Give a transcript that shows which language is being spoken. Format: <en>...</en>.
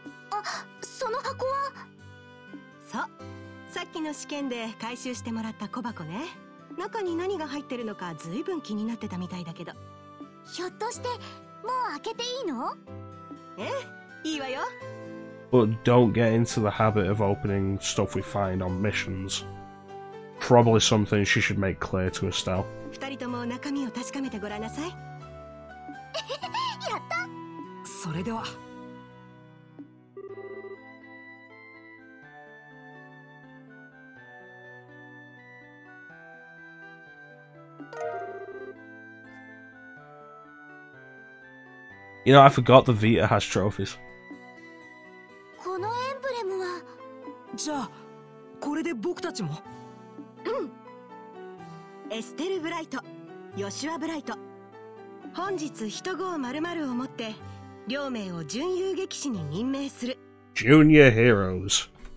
<ja>あ、その箱は。そう、さっきの試験で回収してもらった小箱ね。中に何が入ってるのかずいぶん気になってたみたいだけど。ひょっとしてもう開けていいの？ええ、いいわよ。</ja> <en>But don't get into the habit of opening stuff we find on missions. Probably something she should make clear to Estelle.</en> <ja>二人とも中身を確かめてごらんなさい。やった。それでは。</ja> <en>You know, I forgot the Vita has trophies.</en> <ja>このエンブレムは。じゃあ、これで僕たちも。エステル・ブライト、ヨシュア・ブライト、本日人号〇〇をもって両名を準遊撃士に任命する。</ja> <en>ジュニア・ヒーローズ。</en>